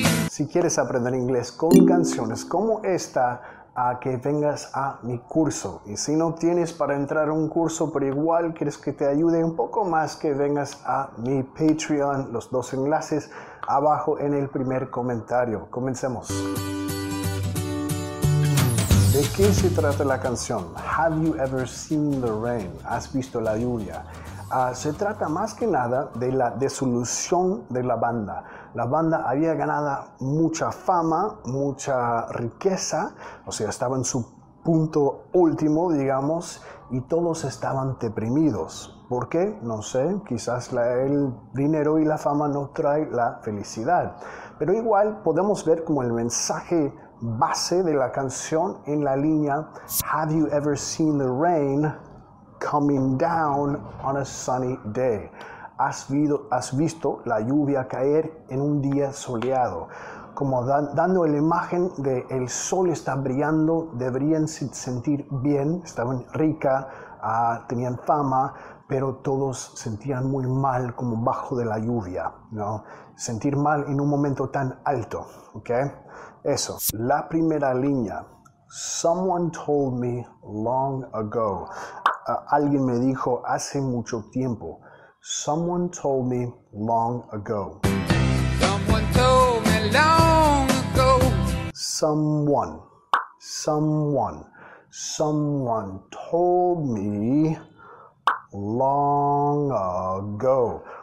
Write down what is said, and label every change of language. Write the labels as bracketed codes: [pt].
[es] Si quieres aprender inglés con canciones como esta, a que vengas a mi curso. Y si no tienes para entrar a un curso, pero igual quieres que te ayude un poco más, que vengas a mi Patreon. Los dos enlaces abajo en el primer comentario. Comencemos. ¿De qué se trata la canción? [en] Have you ever seen the rain? [es] ¿Has visto la lluvia? Se trata más que nada de la desilusión de la banda. La banda había ganado mucha fama, mucha riqueza, o sea, estaba en su punto último, digamos, y todos estaban deprimidos. ¿Por qué? No sé, quizás el dinero y la fama no trae la felicidad. Pero igual podemos ver como el mensaje base de la canción en la línea [en] Have you ever seen the rain coming down on a sunny day? [es] ¿Has visto la lluvia caer en un día soleado? Como dando la imagen de el sol está brillando, deberían sentir bien, estaban rica, tenían fama, pero todos sentían muy mal como bajo de la lluvia, ¿no? Sentir mal en un momento tan alto, ¿ok? Eso, la primera línea. [en] Someone told me long ago. [es] Alguien me dijo hace mucho tiempo. [en] Someone told me long ago. Someone told me long ago. Someone. Someone. Someone told me long ago.